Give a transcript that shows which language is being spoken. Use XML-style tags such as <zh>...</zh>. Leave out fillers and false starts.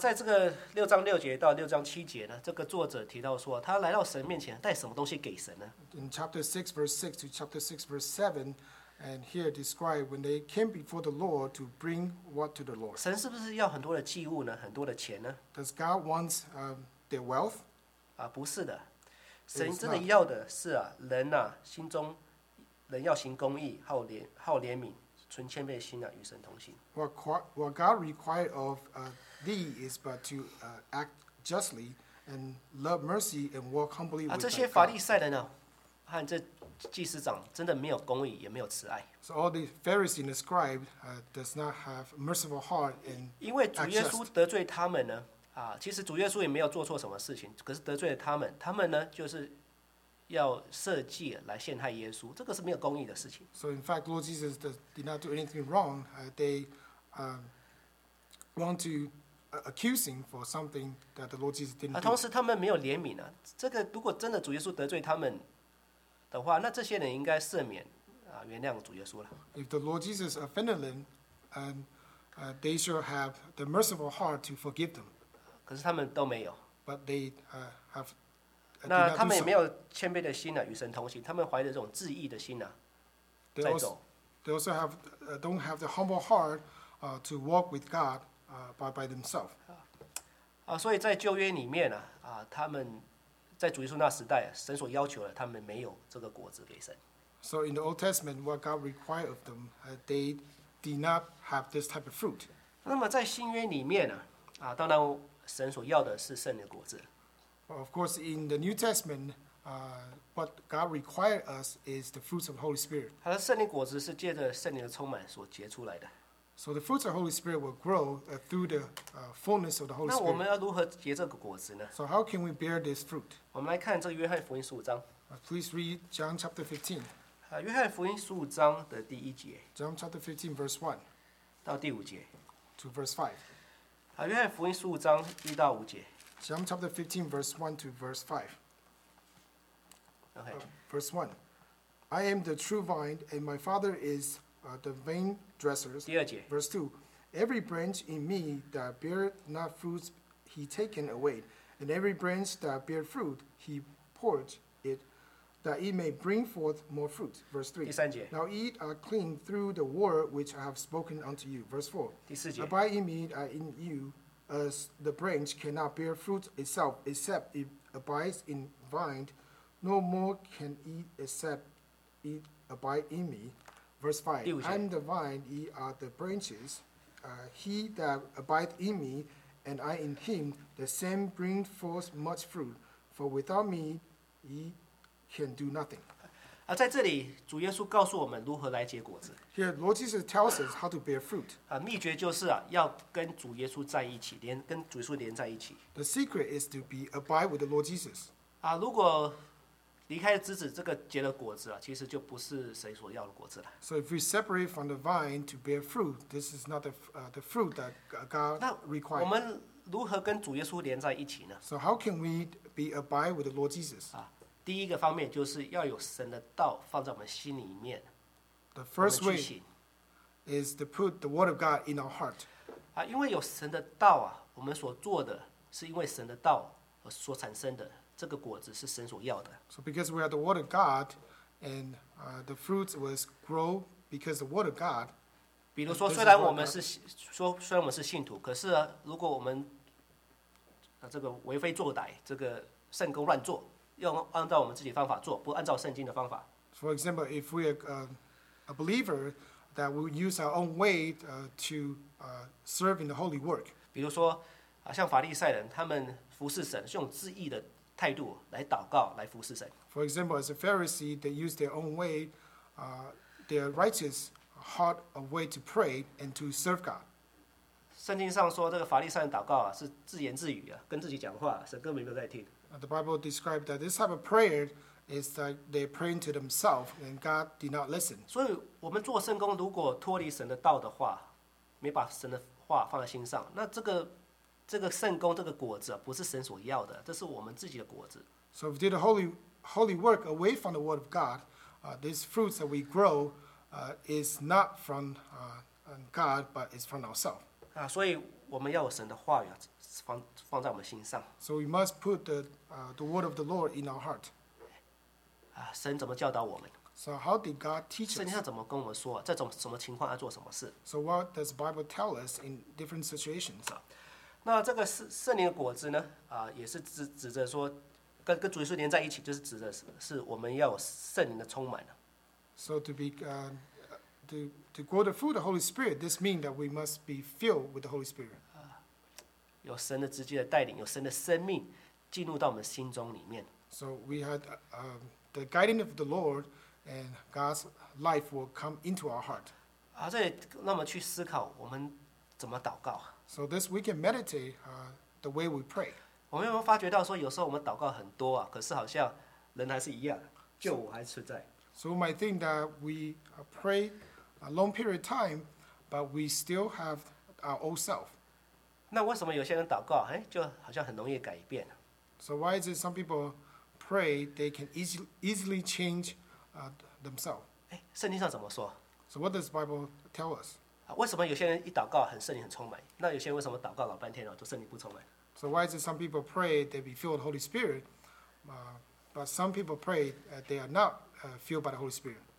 <zh>在这个六章六节到六章七节呢，这个作者提到说，他来到神面前带什么东西给神呢</zh> <en>？In chapter 6 verse 6 to chapter 6 verse 7, and here describe when they came before the Lord to bring what to the Lord.</en> <zh>神是不是要很多的祭物呢？很多的钱呢</zh> <en>？Does God want their wealth?</en> <zh>不是的。神真的要的是啊，人啊，心中人要行公义，好怜悯，存谦卑心啊，与神同行。</zh> <en>What God required of thee is but to act justly and love mercy and walk humbly with God.</en> <zh>这些法利赛人呢、啊，和这祭司长真的没有公义，也没有慈爱。</zh> <en>So all the Pharisees and the scribes does not have merciful heart and.</en> <zh>因为主耶稣得罪他们呢。啊、其实主耶稣也没有做错什么事情，可是得罪了他们，他们呢就是要设计来陷害耶稣，这个是没有公义的事情。</zh> <en>So in fact, Lord Jesus did not do anything wrong. They want to accuse him for something that the Lord Jesus didn't do.</en> <zh>同时他们没有怜悯啊，这个如果真的主耶稣得罪他们的话，那这些人应该赦免、啊、原谅主耶稣了。</zh> <en>If the Lord Jesus offended them, they should have the merciful heart to forgive them.</en> <zh>可是他们都没有。</zh> <en>But they have.</en> <zh>那他们也没有谦卑的心呢、啊，与神同行。他们怀着这种自义的心呢、啊，在走。</zh> <en>They also have don't have the humble heart to walk with God by themselves.</en> <zh>所以在旧约里面呢、啊，他们在主耶稣那时代、啊，神所要求的，他们没有这个果子给神。</zh> <en>So in the Old Testament, what God required of them, they did not have this type of fruit.</en> <zh>那么在新约里面呢、啊，当然。神所要的是圣灵的果子。</zh> <en>Well, of course, in the New Testament, what God required us is the fruits of the Holy Spirit.</en> <zh>他的圣灵果子是借着圣灵的充满所结出来的。</zh> <en>So the fruits of the Holy Spirit will grow through the fullness of the Holy Spirit.</en> <zh>那我们要如何结这个果子呢</zh> <en>？So how can we bear this fruit?</en> <zh>我们来看这个约翰福音十五章。</zh> <en>Please read John chapter 15.</en> <zh>约翰福音十五章的第一节。</zh> <en>John chapter 15, verse 1.</en> <zh>到第五节。</zh> <en>To verse 5.</en> <zh>约翰福音十五章一到五节。</zh> <en>John chapter 15, verse 1 to verse 5. Okay. Verse 1. I am the true vine, and my Father is the vine dresser.</en> <zh>第二节。</zh> <en>Verse 2. Every branch in me that beareth not fruit, he taken away. And every branch that beareth fruit, he purge it, that it may bring forth more fruit. Verse 3.</en> <zh>第三节。</zh> <en>Now ye are clean through the word which I have spoken unto you. Verse 4.</en> <zh>第四节。</zh> <en>Abide in me, in you, as the branch cannot bear fruit itself, except it abides in vine, no more can it except it abide in me. Verse 5.</en> <zh>第五节。</zh> <en>I am the vine, ye are the branches. He that abideth in me, and I in him, the same bring forth much fruit. For without me, ye can do nothing.</en> <zh>在这里主耶稣告诉我们如何来结果子。</zh> <en>Here, Lord Jesus tells us how to bear fruit.</en> <zh>秘诀就是啊，要跟主耶稣在一起，连跟主耶稣连在一起。</zh> <en>The secret is to be abide with the Lord Jesus.</en> <zh>如果离开枝子，这个结了果子啊，其实就不是神所要的果子了。</zh> <en>So if we separate from the vine to bear fruit, this is not the fruit that God required.</en> <zh>我们如何跟主耶稣连在一起呢</zh> <en>？So how can we be abide with the Lord Jesus?</en> <zh>第一个方面就是要有神的道放在我们心里面。</zh> <en>The first way is to put the word of God in our heart.</en> <zh>因为有神的道啊，我们所做的是因为神的道而所产生的，这个果子是神所要的。</zh> <en>So because we have the word of God, and the fruits will grow because the word of God.</en> <zh>比如说，虽然我们是说虽然我们是信徒，可是、啊、如果我们这个为非作歹，这个圣公乱做。用按照我们自己的方法做，不按照圣经的方法。</zh> <en>For example, if we are a believer that we use our own way to serve in the holy work.</en> <zh>比如说，像法利赛人，他们服侍神是用自义的态度来祷告，来服侍神。</zh> <en>For example, as a Pharisee, they use their own way, their righteous heart a way to pray and to serve God.</en> <zh>圣经上说，这个法利赛人祷告、啊、是自言自语、啊、跟自己讲话，神根本没有在听。</zh> <en>The Bible describes that this type of prayer is that they praying to themselves, and God did not listen.</en> <zh>所以我们做圣工，如果脱离神的道的话，没把神的话放在心上，那这个圣工这个果子不是神所要的，这是我们自己的果子。</zh> <en>So if we did a holy work away from the word of God, these fruits that we grow, is not from God, but is from ourselves.</en> <zh>所以我们要有神的话语放在我们心上。</zh> <en>So we must put the word of the Lord in our heart.</en> <zh>神怎么教导我们</zh> <en>？So how did God teach us?</en> <zh>圣经上怎么跟我们说，在什么情况要做什么事</zh> <en>？So what does the Bible tell us in different situations?</en> <zh>那这个圣灵的果子呢？也是指着说，跟主耶稣连在一起，就是指的是我们要有圣灵的充满。</zh> <en>So to be, to grow the fruit of the Holy Spirit, this means that we must be filled with the Holy Spirit.</en> <zh>有神的直接的带领，有神的生命进入到我们心中里面。</zh> <en>So we had the guiding of the Lord, and God's life will come into our heart.</en> <zh>啊，这里那么去思考我们怎么祷告。</zh> <en>So this we can meditate the way we pray.</en> <zh>我们有没有发觉到说，有时候我们祷告很多啊，可是好像人还是一样，就我还存在。</zh> <en>So we might think that we pray a long period of time, but we still have our old self.</en> <zh>那为什么有些人祷告，哎，就好像很容易改变？</zh> <en>So why is it some people pray they can easily change themselves?</en> <zh>哎，圣经上怎么说？</zh> <en>So what does the Bible tell us?</en> <zh>为什么有些人一祷告很圣灵很充满？那有些人为什么祷告老半天了，都圣灵不充满？</zh> <en>So why is it some people pray they be filled with the Holy Spirit, but some people pray they are not? Filled by the Holy Spirit.</en>